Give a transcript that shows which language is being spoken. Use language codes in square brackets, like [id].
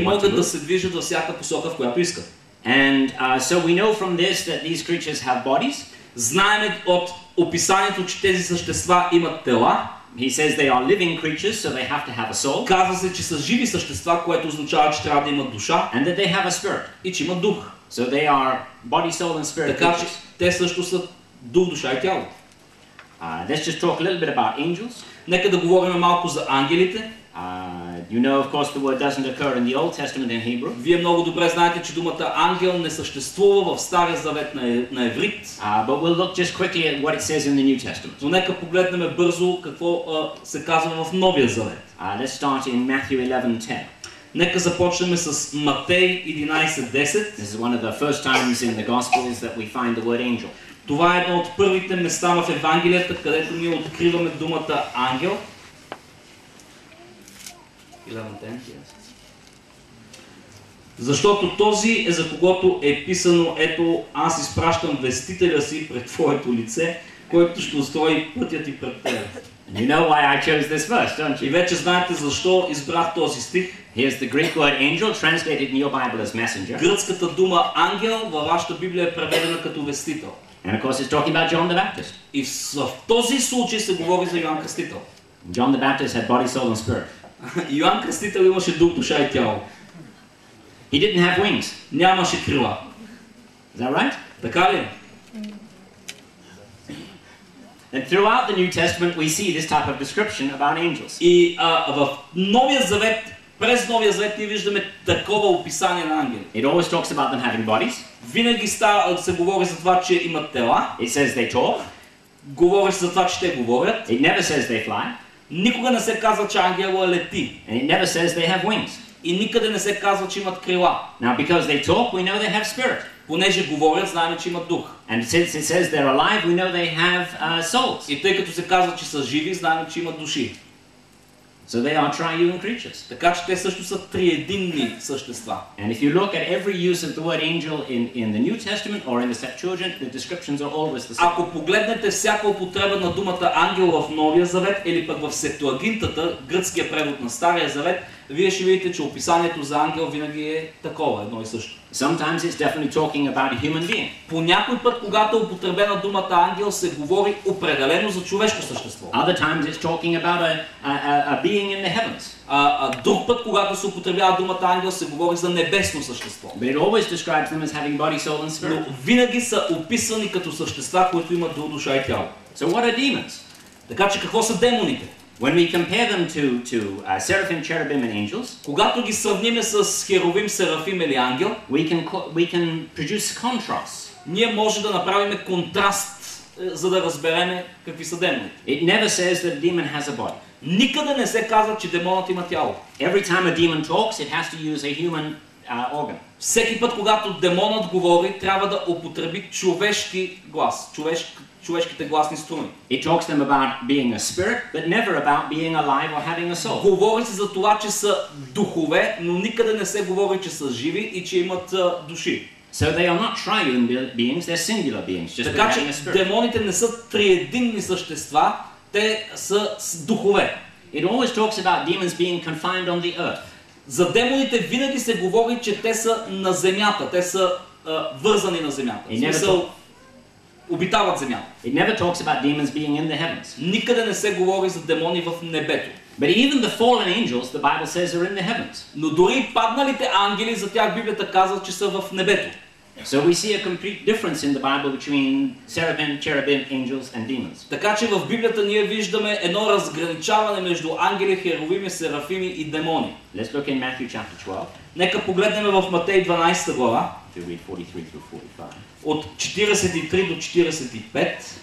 [bg] И могат да се движат във всяка посока, в която искат. [en] And so we know from this that these creatures have bodies. [bg] Знаем от описанието, че тези същества имат тела. [en] He says they are living creatures, so they have to have a soul. [bg] Казва се, че са живи същества, което означава, че трябва да имат душа. [en] And that they have a spirit. [bg] И че имат дух. [en] So they are body, soul and spirit. [bg] Така че те също са дух, душа и тяло. [en] Let's just talk a little bit about angels. [bg] Нека да говорим малко за ангелите. [en] You know, of course, the word doesn't occur in the Old Testament in Hebrew. [bg] Вие много добре знаете, че думата ангел не съществува в Стария Завет на еврит. [en] But we'll look just quickly at what it says in the New Testament. [bg] Но нека погледнем бързо какво се казва в Новия Завет. [en] Let's start in Matthew 11:10. [bg] Нека започнем с Матей 11:10. [en] This is one of the first times in the Gospels that we find the word angel. [bg] Това е едно от първите места в Евангелията, където ние откриваме думата ангел. [en] 11:10. Yes. [bg] Защото този е за когото е писано: ето, аз изпращам вестителя си пред твоето лице, който ще устрои пътя ти пред теб. [en] You know why I chose this verse, don't you? [bg] И вече знаете защо избрах този стих. [en] Here's the Greek word angel, translated in your Bible as messenger. [bg] Гръцката дума ангел във вашата Библия е преведена като вестител. [en] And of course, it's talking about John the Baptist. [bg] И в този случай се говори за Йоан Кръстител. [en] John the Baptist had body, soul, and spirit. [bg] Йоан Кръстител имаше дух, душа и тяло. [en] He didn't have wings. [bg] Нямаше крила. [en] Is that right? [bg] Така ли? [en] And throughout the New Testament, we see this type of description about angels. [bg] И в Новия Завет, през Новия Завет, ние виждаме такова описание на ангели. [en] It always talks about them having bodies. [bg] Винаги се говори за това, че имат тела. [en] It says they talk. [bg] Говори се за това, че те говорят. [en] It never says they fly. [bg] Никога не се казва, че ангела лети. [en] And it never says they have wings. [bg] И никъде не се казва, че имат крила. [en] Now, because they talk, we know they have spirit. [bg] Понеже говорят, знаем, че имат дух. [en] And since it says they're alive, we know they have souls. [bg] И тъй като се казва, че са живи, знаем, че имат души. [en] So they are triune creatures. [bg] Така че те също са триединни същества. [en] And if you look at every use of the word angel in the New Testament or in the Septuagint, the descriptions are always the same. [bg] Ако погледнете всяка употреба на думата ангел в Новия Завет или пък в Септуагинтата, гръцкия превод на Стария Завет, вие ще видите, че описанието за ангел винаги е такова, едно и също. [en] Sometimes it's definitely talking about a human being. [bg] По някой път, когато употребена думата ангел, се говори определено за човешко същество. [en] Other times it's talking about a being in the heavens. [bg] Друг път, когато се употребява думата ангел, се говори за небесно същество. [en] But it always describes them as having body, soul and spirit. [bg] Но винаги са описани като същества, които имат дух, душа и тяло. [en] So what are demons? [bg] Така че какво са демоните? [en] When we compare them to seraphim, cherubim and angels, [bg] когато ги сравним с херовим, серафим или ангел, [en] we can produce contrast. [bg] Ние можем да направим контраст, за да разберем какви са демоните. [en] It never says that a demon has a body. [bg] Никъде не се казва, че демонът има тяло. [en] Every time a demon talks, it has to use a human organ. [bg] Всеки път, когато демонът говори, трябва да употреби човешки глас, човешките гласни струни. [en] It talks them about being a spirit, but never about being alive or having a soul. [bg] Говори се за това, че са духове, но никъде не се говори, че са живи и че имат души. [en] So they are not triune beings, they're singular beings, just [bg] така, [en] having a spirit. [bg] Демоните не са триединни същества, те са духове. [en] It always talks about demons being confined on the earth. [bg] За демоните винаги се говори, че те са на земята, те са вързани на земята. Обитават земята. [en] It never talks about demons being in the heavens. [bg] Никъде не се говори за демони в небето. [en] But even the fallen angels, the Bible says, are in the heavens. [bg] Но дори падналите ангели, за тях Библията казва, че са в небето. [en] So we see a complete difference in the Bible between seraphim, cherubim, angels and demons. [bg] Така че в Библията ние виждаме едно разграничаване между ангели, херовими, серафими и демони. [en] Let's look in Matthew chapter 12. [bg] Нека погледнем в Матей 12 глава. [en] To read 43 through 45. [bg] От 43 до 45.